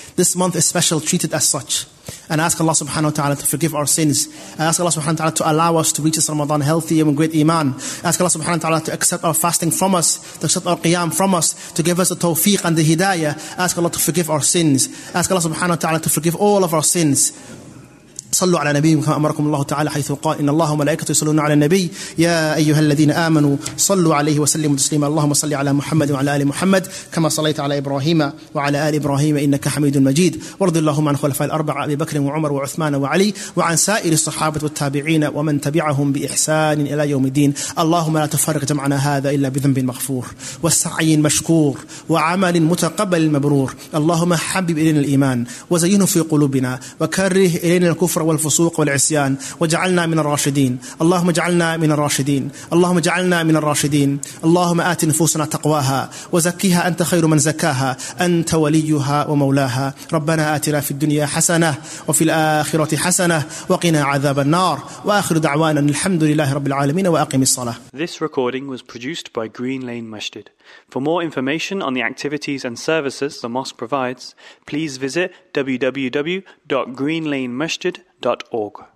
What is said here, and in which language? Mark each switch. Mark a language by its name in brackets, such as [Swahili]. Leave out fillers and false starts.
[English] This month is special, treated as such. And ask Allah subhanahu wa ta'ala to forgive our sins. And ask Allah subhanahu wa ta'ala to allow us to reach this Ramadan healthy and with great iman. Ask Allah subhanahu wa ta'ala to accept our fasting from us, to accept our qiyam from us, to give us the tawfiq and the hidayah. Ask Allah to forgive our sins. Ask Allah subhanahu wa ta'ala to forgive all of our sins. [Arabic] صلوا على نبيكم كما أمركم الله تعالى حيث قال إن الله وملائكته يصلون على النبي يا أيها الذين آمنوا صلوا عليه وسلموا تسليما اللهم صل على محمد وعلى آل محمد كما صليت على إبراهيم وعلى آل إبراهيم إنك حميد مجيد ورضي اللهم عن خلفاء الأربعة أبي بكر وعمر وعثمان وعلي وعن سائر الصحابة والتابعين ومن تبعهم بإحسان إلى يوم الدين اللهم لا تفرق جمعنا هذا إلا بذنب مغفور وسعي مشكور وعمل متقبل مبرور اللهم حبب إلينا الإيمان وزينه في قلوبنا وكره إلينا الكفر والفسوق والعصيان وجعلنا من الراشدين اللهم اجعلنا من الراشدين اللهم اجعلنا من الراشدين اللهم آت نفوسنا تقواها وزكيها أنت خير من زكاها أنت وليها ومولاها ربنا آتنا في الدنيا حسنة وفي الآخرة حسنة وقنا عذاب النار وآخر دعوانا الحمد لله رب العالمين وأقم الصلاة. [English] This recording was produced by Green Lane Masjid. For more information on the activities and services the mosque provides, please visit www.greenlanemasjid.org.